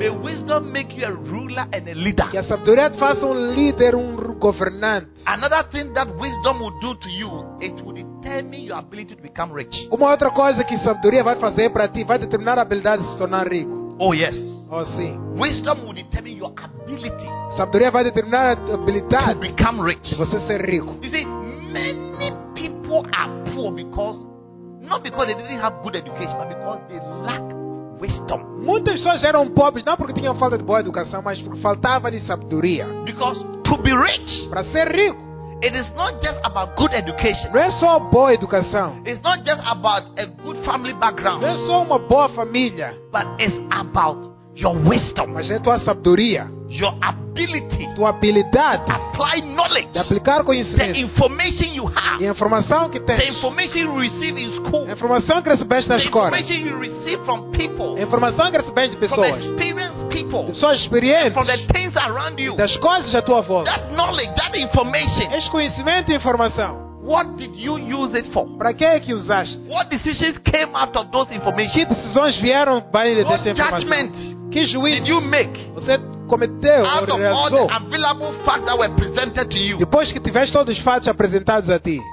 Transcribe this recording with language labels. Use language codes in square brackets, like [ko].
[en] May wisdom make you a ruler and a leader. [pt] Que a sabedoria te faça líder, governante. [en] Another thing that wisdom will do to you, it will determine your ability to become rich. [pt] Uma outra coisa que sabedoria vai fazer para ti, vai determinar a habilidade de se tornar rico. [en] Oh yes. [pt] Oh sim. [en] Wisdom will determine your ability. [pt] Sabedoria vai determinar a habilidade [en] to become rich. [pt] De você ser rico. [en] You see, many people are poor because not because they didn't have good education, but because they lack wisdom. [pt] Muitas pessoas eram pobres não porque tinham falta de boa educação, mas porque faltava de sabedoria. [en] Because to be rich, [pt] para ser rico, [en] it is not just about good education. [pt] Não é só boa educação. [en] It's not just about a good family background. [pt] Não é só uma boa família. [en] But it's about your wisdom. [pt] Mas é tua sabedoria. [en] Your ability. [pt] Tua habilidade. [en] Apply knowledge. [pt] De aplicar conhecimento. [en] The information you have. [pt] E a informação que tens. [en] The information you receive in school. [pt] A informação que recebeste na escola. [en] The information you receive from people. [pt] A informação que recebeste de pessoas. [en] From experienced people. [pt] De pessoas experientes. [en] From the things around you. [pt] Das coisas à tua volta. [en] That knowledge, that information. [pt] Este conhecimento e informação. [en] What did you use it for? [pt] Para que é que usaste? [en] What decisions came out of those information? [pt] Que decisões vieram para ele dessa informação? [en] What judgment? [pt] Que juízo? [en] Did you make? [pt] Você cometeu? [en] Out of all the available facts that were presented to you. [pt] Depois que tiveste todos os fatos apresentados a ti.